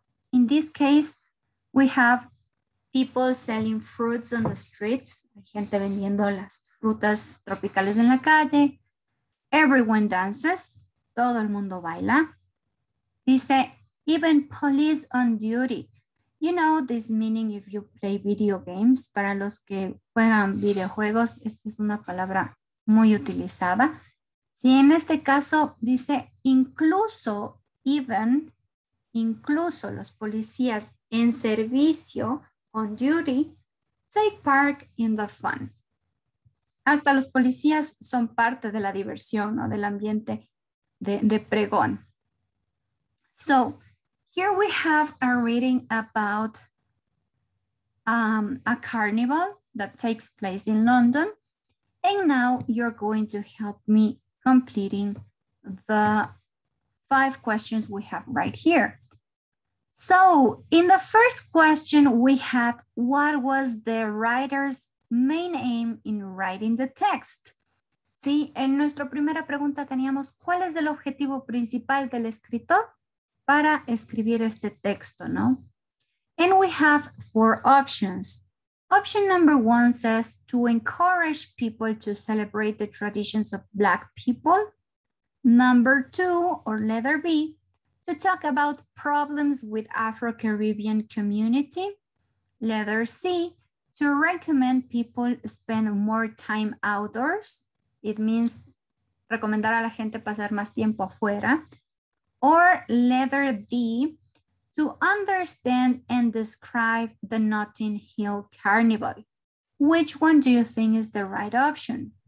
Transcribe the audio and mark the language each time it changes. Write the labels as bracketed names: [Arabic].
[English] In this case, we have people selling fruits on the streets. [Spanish] Hay gente vendiendo las frutas tropicales en la calle. [English] Everyone dances. [Spanish] Todo el mundo baila. Dice, [English] even police on duty. You know this meaning if you play video games. [Spanish] Para los que juegan videojuegos, esta es una palabra muy utilizada. Si en este caso dice incluso, even, incluso los policías en servicio, [English] on duty, take part in the fun. [Spanish] Hasta los policías son parte de la diversión, ¿no? Del ambiente de pregón. [English] So, here we have a reading about a carnival that takes place in London. And now you're going to help me completing the 5 questions we have right here. So in the first question we had, what was the writer's main aim in writing the text? [Spanish] Sí, en nuestra primera pregunta teníamos, ¿cuál es el objetivo principal del escritor para escribir este texto, no? [English] And we have 4 options. Option number 1 says to encourage people to celebrate the traditions of Black people. Number 2, or letter B, to talk about problems with Afro-Caribbean community. Letter C, to recommend people spend more time outdoors. It means [Spanish] recomendar a la gente pasar más tiempo afuera. [English] Or letter D, to understand and describe the Notting Hill Carnival. Which one do you think is the right option?